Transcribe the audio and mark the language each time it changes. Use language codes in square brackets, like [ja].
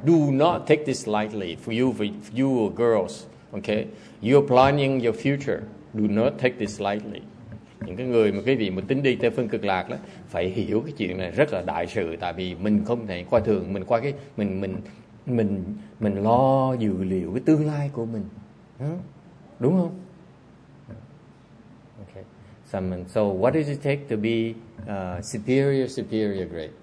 [en] Do not take this lightly for you girls. Okay? You're planning your future. Do not take this lightly. [vi] Những cái người mà quý vị mà tính đi theo phương cực lạc đó phải hiểu cái chuyện này rất là đại sự, tại vì mình không thể coi thường, mình coi cái mình lo dự liệu cái tương lai của mình, đúng không? [en] Okay, so what does it take to be superior grade?